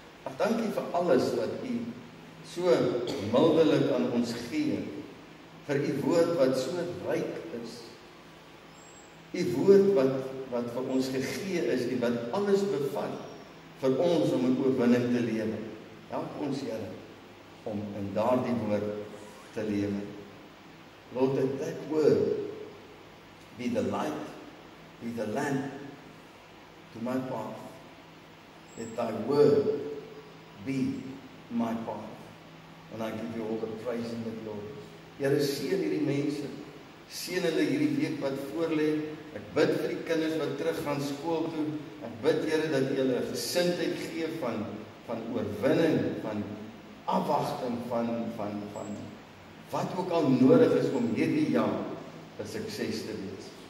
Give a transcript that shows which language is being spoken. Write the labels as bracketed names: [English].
[Afrikaans] Ach, dankie vir alles wat u so mildelik aan ons gee, vir die woord wat so ryk is, die woord wat vir ons gegee is, die wat alles bevat, vir ons om in oorwinning te lewe. Help ons, Here, om in daardie woord te lewe. [English] Lord, in that word be the light, be the lamp to my path. Let thy word be my path. And I give you all the praise and the glory. [Afrikaans] Here is seën hierdie mense. Seën hulle hierdie week wat voorlê. Ek bid vir die kinders wat terug gaan skool toe. Ek bid Here dat U hulle gesindheid gee van oorwinning, van afwagting, van wat ook al nodig is om hierdie jaar 'n sukses te wees.